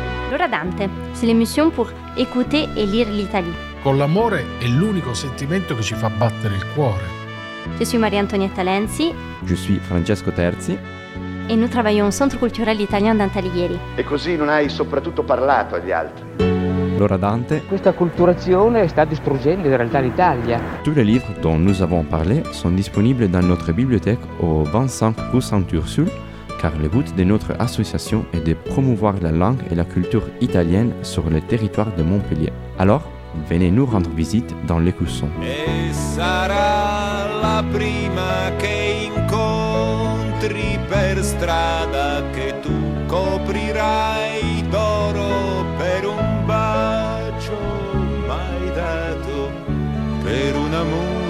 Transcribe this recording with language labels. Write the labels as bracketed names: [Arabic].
[French] Laura Dante, c'est l'émission pour écouter et lire l'Italie. [Italian] Con l'amore è l'unico sentimento che ci fa battere il cuore. [French] Je suis Maria Antonietta Lenzi. Je suis Francesco Terzi. [Italian] E noi lavoriamo al Centro Culturale Italiano d'Antalighieri. E così non hai soprattutto parlato agli altri. Laura Dante. Questa acculturazione sta distruggendo in realtà l'Italia. Tutti i libri [French] dont nous avons parlé sont disponibles dans notre bibliothèque au 25 rue Saint-Ursule, car le but de notre association est de promouvoir la langue et la culture italienne sur le territoire de Montpellier. Alors, venez nous rendre visite dans l'Écusson. [Italian] Et sarà la prima che incontri per strada che tu coprirai d'oro per un bacio mai dato per un amore.